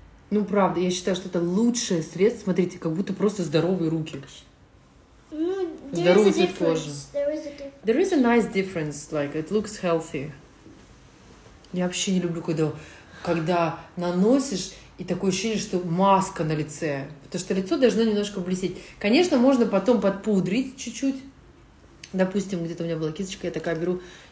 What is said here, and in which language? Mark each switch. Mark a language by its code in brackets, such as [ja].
[ru] Ну, правда, я считаю, что это лучшее средство. Смотрите, как будто просто здоровые руки. Ну, здоровый цвет кожи. [en] There is a nice difference. Like, it looks healthy. [ru] Я вообще не люблю, когда наносишь, и такое ощущение, что маска на лице. Потому что лицо должно немножко блестеть. Конечно, можно потом подпудрить чуть-чуть. Допустим, где-то у меня была кисточка, я такая беру...